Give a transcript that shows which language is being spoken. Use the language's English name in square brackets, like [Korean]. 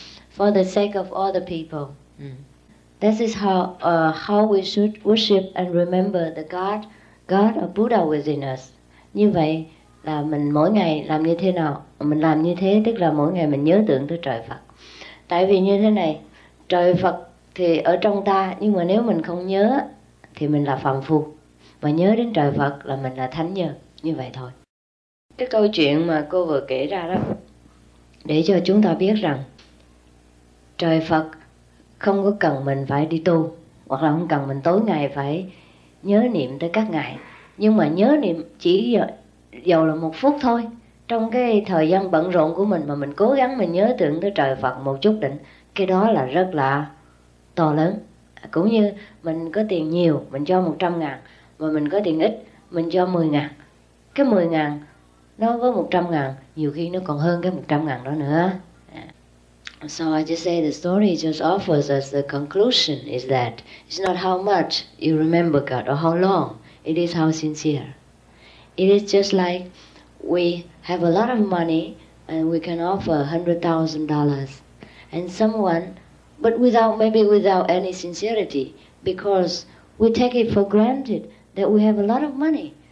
[English] For the sake of all the people, This is how we should worship and remember the God or Buddha within us. [Vietnamese] Như vậy là mình mỗi ngày làm như thế nào? Mình làm như thế tức là mỗi ngày mình nhớ tưởng tới trời Phật. Tại vì như thế này, trời Phật thì ở trong ta, nhưng mà nếu mình không nhớ thì mình là phàm phu. Mà nhớ đến trời Phật là mình là thánh nhân. Như vậy thôi. Cái câu chuyện mà cô vừa kể ra đó, để cho chúng ta biết rằng trời Phật không có cần mình phải đi tu, hoặc là không cần mình tối ngày phải nhớ niệm tới các ngài. Nhưng mà nhớ niệm chỉ dầu là một phút thôi, trong cái thời gian bận rộn của mình mà mình cố gắng mình nhớ tưởng tới trời Phật một chút định, cái đó là rất là to lớn. Cũng như mình có tiền nhiều, mình cho 100.000, mà mình có tiền ít, mình cho 10.000. Cái 10.000 nó với 100.000, nhiều khi nó còn hơn cái 100.000 đó nữa. [English] So I just say the story just offers us the conclusion is that it's not how much you remember God or how long, it is how sincere. It is just like we have a lot of money and we can offer $100,000 and someone, but without any sincerity, because we take it for granted that we have a lot of money.